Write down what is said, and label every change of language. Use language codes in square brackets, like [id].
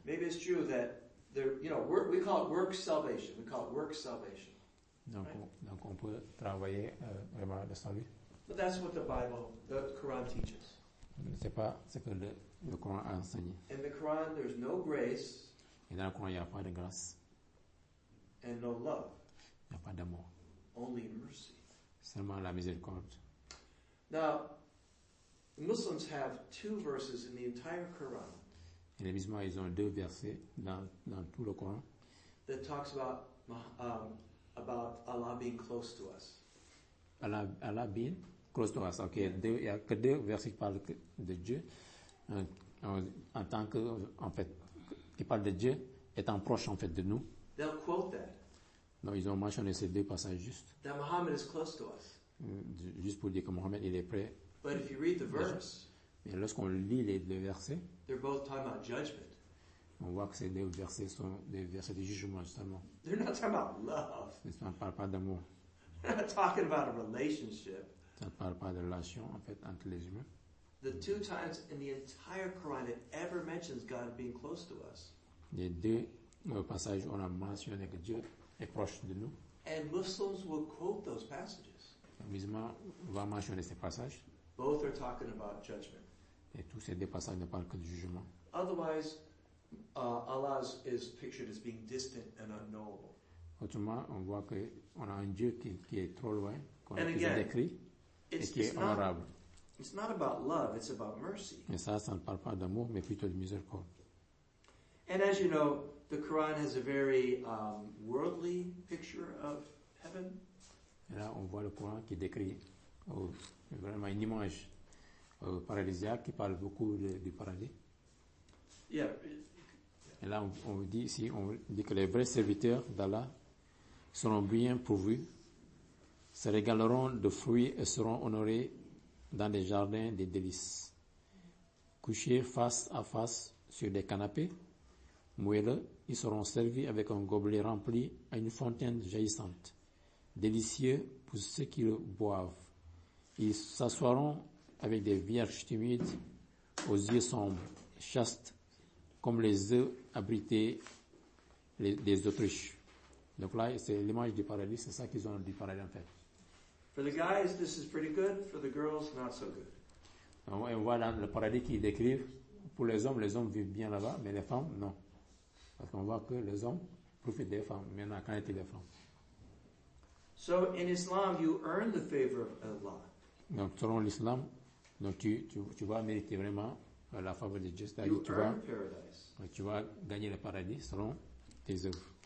[en] Maybe it's true that there, you know, we call it work salvation. We call it work salvation. [fr] Donc on peut travailler vraiment le salut. [en] But that's what the Bible, the Quran teaches. [fr] C'est pas ce que le Coran a enseigné. [en] In the Quran, there's no grace. [fr] Et dans le Coran, il n'y a pas de grâce. [en] And no love. [fr] Il n'y a pas d'amour. [en] Only mercy. [fr] Seulement la miséricorde. [en] Now. Muslims have two verses in the entire Quran. [fr] Et les musulmans, ils ont deux versets dans tout le Coran. [en] That talks about Allah being close to us. Allah being close to us. [fr] Okay, deux, il y a que deux versets qui parlent de Dieu en tant que en fait qui parlent de Dieu étant proche en fait de nous. [en] They'll quote that. [fr] Non, ils ont mentionné ces deux passages juste. [en] That Muhammad is close to us. [fr] Juste pour dire que Muhammad il est près. [en] But if you read the verse, [fr] mais lorsqu'on lit les deux versets, [en] they're both talking about judgment. [fr] On voit que ces deux versets sont des versets de jugement justement. [en] They're not talking about love. [fr] Ça ne parle pas d'amour. [en] They're not talking about a relationship. [fr] Ça ne parle pas de relation en fait entre les humains. [en] The two times in the entire Quran it ever mentions God being close to us. [fr] Les deux passages où on a mentionné que Dieu est proche de nous. [en] And Muslims will quote those passages. [fr] Les musulmans vont mentionner ces passages. [en] Both are talking about judgment. [fr] Et tous ces deux passages ne parlent que du jugement. [en] Otherwise, Allah is pictured as being distant and unknowable. [fr] Autrement, on voit qu'on a un Dieu qui est trop loin, qu'on a décrit. et qui est honorable. [en] It's not about love, it's about mercy. [fr] Et ça ne parle pas d'amour, mais plutôt de miséricorde. [en] And as you know, the Quran has a very worldly picture of heaven. [fr] Et là, on voit le Coran qui décrit vraiment une image paradisiaque qui parle beaucoup du paradis. [en] Yeah. [fr] Et là, on dit que les vrais serviteurs d'Allah seront bien pourvus, se régaleront de fruits et seront honorés dans des jardins des délices. Couchés face à face sur des canapés, moelleux, ils seront servis avec un gobelet rempli à une fontaine jaillissante. Délicieux pour ceux qui le boivent. Ils s'assoiront avec des vierges timides, aux yeux sombres, chastes, comme les œufs abrités des autruches. Donc là, c'est l'image du paradis, c'est ça qu'ils ont du paradis en fait. [en] For the guys, this is pretty good. For the girls, not so good. [fr] On voit là le paradis qu'ils décrivent. Pour les hommes vivent bien là-bas, mais les femmes, non. Parce qu'on voit que les hommes profitent des femmes. Maintenant, quand est-il des femmes? [en] So in Islam, you earn the favor of Allah. [fr] Donc selon l'islam, donc tu vas mériter vraiment la faveur de Dieu. [en] You earn paradise. [fr] Tu vas gagner le paradis selon tes œuvres.